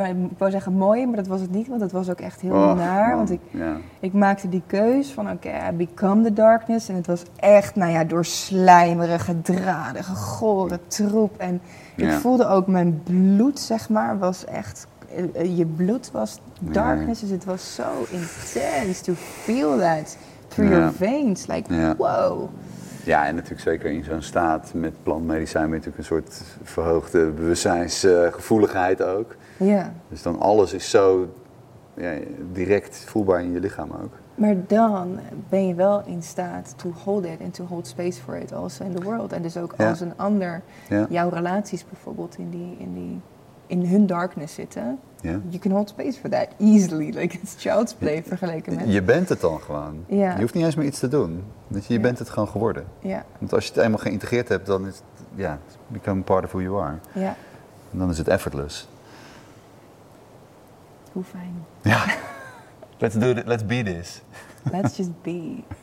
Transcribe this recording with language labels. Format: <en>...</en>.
<nl>Ik wou zeggen mooi, maar dat was het niet, want het was ook echt heel naar. Want ik maakte die keus van,</nl> <en>I become the darkness.</en> <nl>En het was echt, door slijmerige draden, gegore troep. En ik voelde ook mijn bloed, zeg maar, was echt, je bloed was darkness. Ja. Dus het was zo</nl> <en>intense to feel that through your veins. Like, wow.</en> <nl>Ja, en natuurlijk zeker in zo'n staat met plantmedicijn ben je natuurlijk een soort verhoogde bewustzijnsgevoeligheid ook. Ja. Dus dan alles is zo direct voelbaar in je lichaam ook. Maar dan ben je wel in staat</nl> <en>to hold it and to hold space for it also in the world.</en> <nl>En dus ook als een ander, jouw relaties bijvoorbeeld in hun darkness zitten. Ja.</nl> <en>You can hold space for that easily, like it's child's play</en> <nl>vergeleken met... Je bent het dan gewoon. Ja. Je hoeft niet eens meer iets te doen. Je bent het gewoon geworden. Ja. Want als je het eenmaal geïntegreerd hebt, dan is het,</nl> <en>become part of who you are.</en> <nl>Ja. En dan is het effortless. Hoe fijn.</nl> <en>Ja. Let's be this. Let's just be.</en>